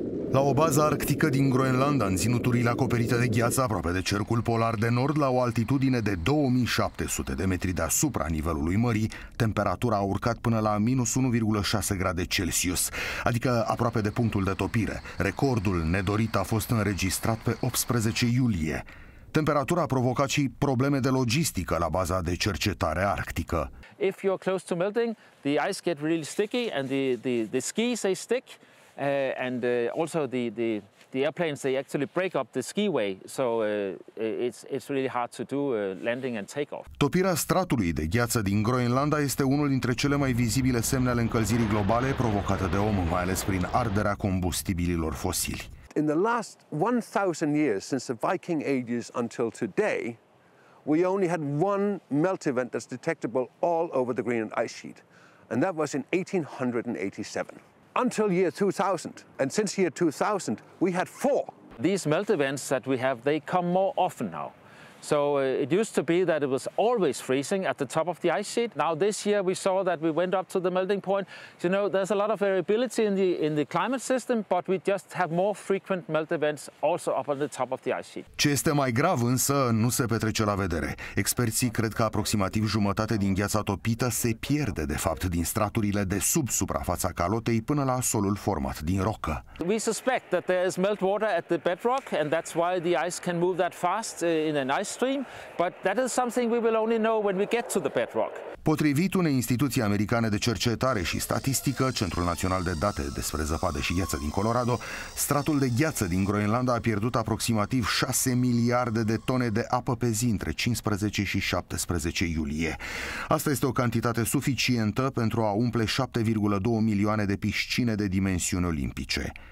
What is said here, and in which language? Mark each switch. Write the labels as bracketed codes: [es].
[ro] La o bază arctică din Groenlanda, în ținuturile acoperite de gheață aproape de Cercul Polar de Nord, la o altitudine de 2700 de metri deasupra nivelului mării, temperatura a urcat până la minus 1,6 grade Celsius, adică aproape de punctul de topire. Recordul nedorit a fost înregistrat pe 18 iulie. Temperatura a provocat și probleme de logistică la baza de cercetare arctică. [en] If you're close to melting, the ice gets really sticky and the skis they stick. And also the airplanes, they actually break up the skiway, so it's really hard to do landing and takeoff. [ro] Topirea stratului de gheață din Groenlanda este unul dintre cele mai vizibile semne ale încălzirii globale provocată de om, mai ales prin arderea combustibililor fosili. [en] In the last 1000 years since the Viking ages until today, we only had one melt event that's detectable all over the Greenland ice sheet, and that was in 1887. Until year 2000, and since year 2000, we had four. These melt events that we have, they come more often now. So it used to be that it was always freezing at the top of the ice sheet. Now this year we saw that we went up to the melting point. You know, there's a lot of variability in the climate system, but we just have more frequent melt events also up on the top of the ice sheet. [ro] Ce este mai grav însă nu se petrece la vedere. Experții cred că aproximativ jumătate din gheața topită se pierde de fapt din straturile de sub suprafața calotei până la solul format din rocă. [en] We suspect that there is meltwater at the bedrock and that's why the ice can move that fast in an ice stream, but that is something we will only know when we get to the bedrock. [ro] Potrivit unei instituții americane de cercetare și statistică, Centrul Național de Date despre Zăpadă și Gheață din Colorado, stratul de gheață din Groenlanda a pierdut aproximativ 6 miliarde de tone de apă pe zi între 15 și 17 iulie. Asta este o cantitate suficientă pentru a umple 7,2 milioane de piscine de dimensiuni olimpice.